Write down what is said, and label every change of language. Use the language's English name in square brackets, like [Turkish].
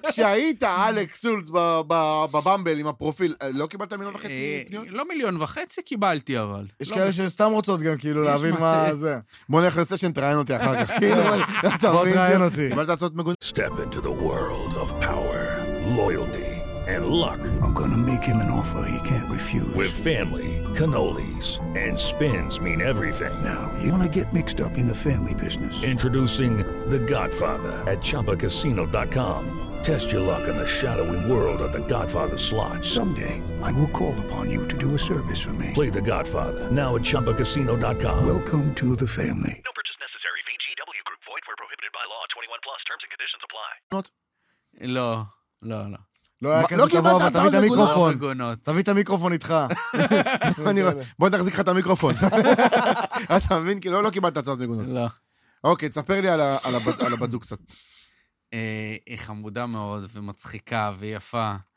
[Hebrew] כשהיית אלכס שולץ בבמבל עם הפרופיל, לא קיבלת מיליון וחצי פניות? לא מיליון וחצי קיבלתי, אבל. יש כאלה שסתם רוצות גם כאילו להבין מה זה. בוא נלך לסשן, תראיין אותי אחר כך. בוא תראיין אותי. קיבלת הצעות מגונות. [English] Step into the world of power, loyalty, and luck. I'm going to make him an offer he can't refuse. With family, cannolis, and spins mean everything. Now, you want to get mixed up in the family business. Introducing The Godfather at ChumbaCasino.com. Test your luck in the shadowy world of The Godfather slot. Someday, I will call upon you to do a service for me. Play The Godfather now at ChumbaCasino.com. Welcome to the family. No purchase necessary. VGW Group. Void where prohibited by law. 21 plus terms and conditions apply. Not. [Hebrew] לא, לא, לא. לא היה כזה כבוע, אבל תביא את המיקרופון. תביא את המיקרופון איתך. בוא נחזיק לך את המיקרופון. אתה מבין? כאילו לא קיבלת הצעות מגונות. לא. אוקיי, תספר לי על הבת זוג קצת. היא חמודה מאוד ומצחיקה ויפה.